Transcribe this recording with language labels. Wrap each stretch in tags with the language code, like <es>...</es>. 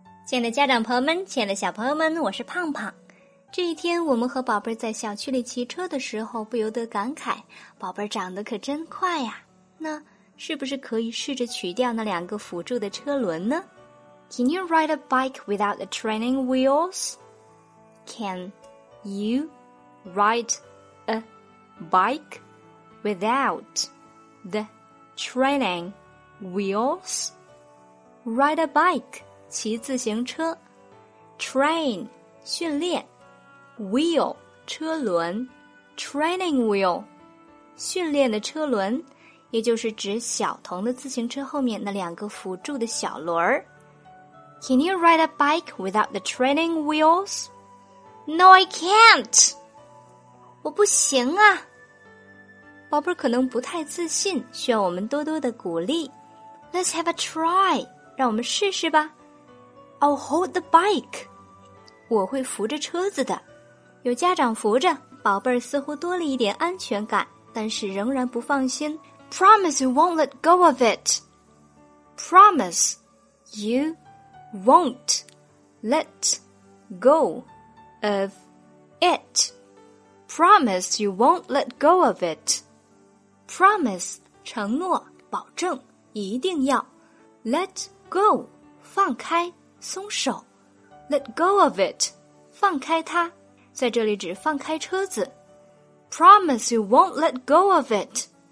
<zh>亲爱的家长朋友们，亲爱的小朋友们，我是胖胖。这一天我们和宝贝在小区里骑车的时候，不由得感慨，宝贝长得可真快呀。那是不是可以试着取掉那两个辅助的车轮呢？</zh> <en>Can you ride a bike without the training wheels? Can you ride a bike without the training wheels? Ride a bike骑自行车，train 训练 ，wheel 车轮 ，training wheel</en> <zh>训练的车轮，也就是指小童的自行车后面那两个辅助的小轮儿。</zh> <en>Can you ride a bike without the training wheels? No, I can't.</en> <zh>我不行啊。宝贝儿可能不太自信，需要我们多多的鼓励。</zh> <en>Let's have a try.</en> <zh>让我们试试吧。</zh> <en>I'll hold the bike.</en> <zh>我会扶着车子的。有家长扶着，宝贝儿似乎多了一点安全感，但是仍然不放心。</zh> <en>Promise you won't let go of it. Promise you won't let go of it. Promise you won't let go of it.</en> <zh>Promise 承诺，保证，一定要。</zh> <en>Let go</en> <zh>放开。松手</zh> <en>，Let go of it，</en> <zh>放开它，在这里只放开车子。</zh> <en>Promise you won't let go of it，</en>